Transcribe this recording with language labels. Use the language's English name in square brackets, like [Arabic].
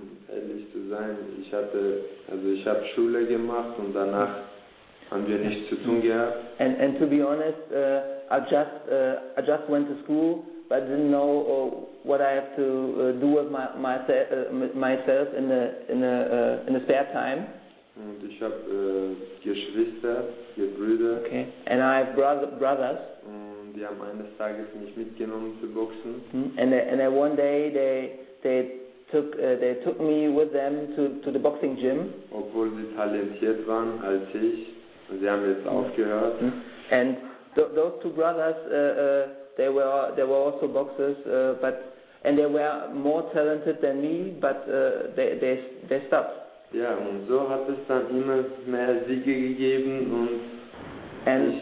[German] Ehrlich zu sein, ich habe Schule gemacht und danach haben wir nichts zu tun gehabt. [English] And to be honest, I just went to school, but didn't know what I have to do with myself in the spare time. [German] Und ich habe Geschwister. [English] Okay. And I have brothers. [German] Und die haben eines Tages mich mitgenommen zu boxen. [English] And then one day they took me with them to the boxing gym. [German] Obwohl sie talentiert waren als ich, und sie haben jetzt aufgehört. [English] And those two brothers they were also boxers, but they were more talented than me, but they stopped. [German] Ja, und so hat es dann immer mehr Siege gegeben und